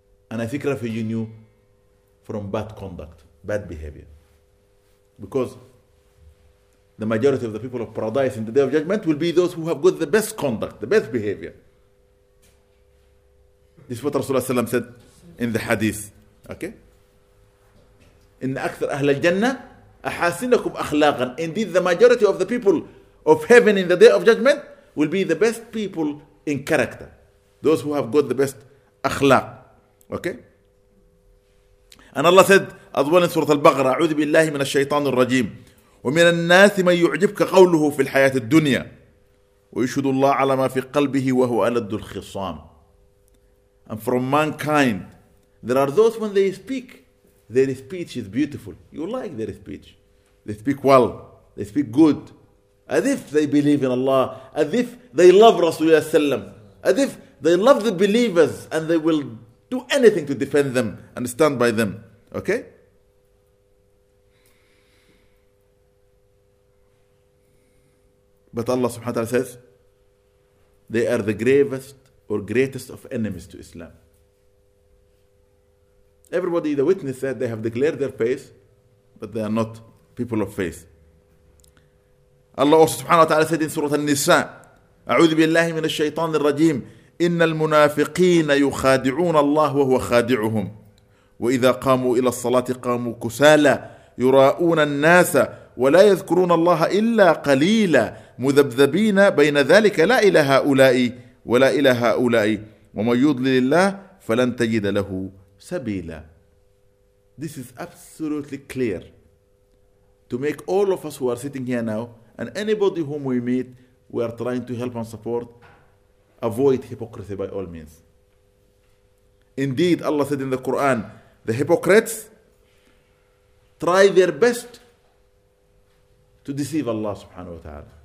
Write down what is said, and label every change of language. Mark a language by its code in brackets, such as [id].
[en] And I seek refuge in you from bad conduct, bad behavior. Because the majority of the people of paradise in the day of judgment will be those who have got the best conduct, the best behavior. This is what Rasulullah said in the hadith. Okay? In [ar] أكثر أهل الجنة أحاسنكم أخلاقا. [en] Indeed, the majority of the people of heaven in the day of judgment will be the best people in character. Those who have got the best أخلاق. Okay? And Allah said as well in Surah Al-Baqarah, [ar] أعوذ بالله من الشيطان الرجيم ومن الناس من يعجبك قوله في الحياة الدنيا ويشهد الله على ما في قلبه وهو ألد الخصام. [en] And from mankind, there are those when they speak, their speech is beautiful. You like their speech. They speak well. They speak good. As if they believe in Allah. As if they love Rasulullah Sallam. As if they love the believers and they will do anything to defend them and stand by them. Okay? But Allah subhanahu wa ta'ala says, they are the gravest or greatest of enemies to Islam. Everybody, the witness said, they have declared their faith, but they are not people of faith. Allah also subhanahu wa ta'ala said in Surah An-Nisa, [ar] أعوذ بالله من الشيطان الرجيم إن المنافقين يخادعون الله وهو خادعهم وإذا قاموا إلى الصلاة قاموا كسالى يراؤون الناس ولا يذكرون الله إلا قليلا مذبذبين بين ذلك لا إلى هؤلاء ولا إلى هؤلاء ومن يضلل الله فلن تجد له سبيلا. [en] This is absolutely clear to make all of us who are sitting here now and anybody whom we meet, we are trying to help and support, avoid hypocrisy by all means. Indeed, Allah said in the Quran, the hypocrites try their best to deceive Allah subhanahu wa ta'ala.